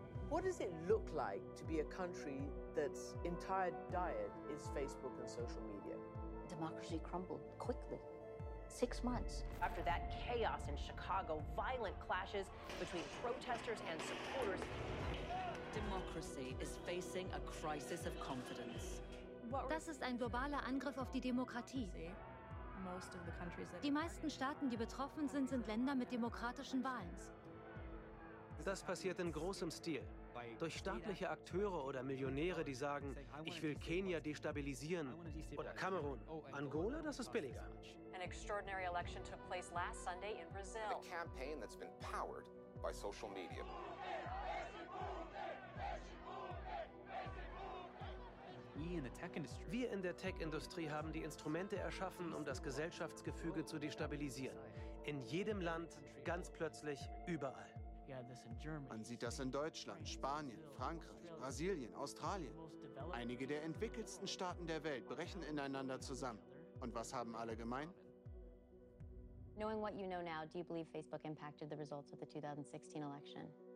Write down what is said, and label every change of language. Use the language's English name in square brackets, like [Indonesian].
[English] What does it look like to be a country that's entire diet is Facebook and social media? Democracy crumbled quickly. 6 months. After that chaos in Chicago, violent clashes between protesters and supporters. Democracy is facing a crisis of confidence. [German] Das ist ein globaler Angriff auf die Demokratie. Die meisten Staaten, die betroffen sind, sind Länder mit demokratischen Wahlen. Das passiert in großem Stil. Durch staatliche Akteure oder Millionäre, die sagen, ich will Kenia destabilisieren oder Kamerun. Angola, das ist billiger. [English] An extraordinary election took place last Sunday in Brazil. A campaign that's been powered by social media. [German] Wir in der Tech-Industrie haben die Instrumente erschaffen, um das Gesellschaftsgefüge zu destabilisieren. In jedem Land, ganz plötzlich, überall. Man sieht das in Deutschland, Spanien, Frankreich, Brasilien, Australien. Einige der entwickelsten Staaten der Welt brechen ineinander zusammen. Und was haben alle gemein? [English] Knowing what you know now, do you believe Facebook impacted the results of the 2016 election?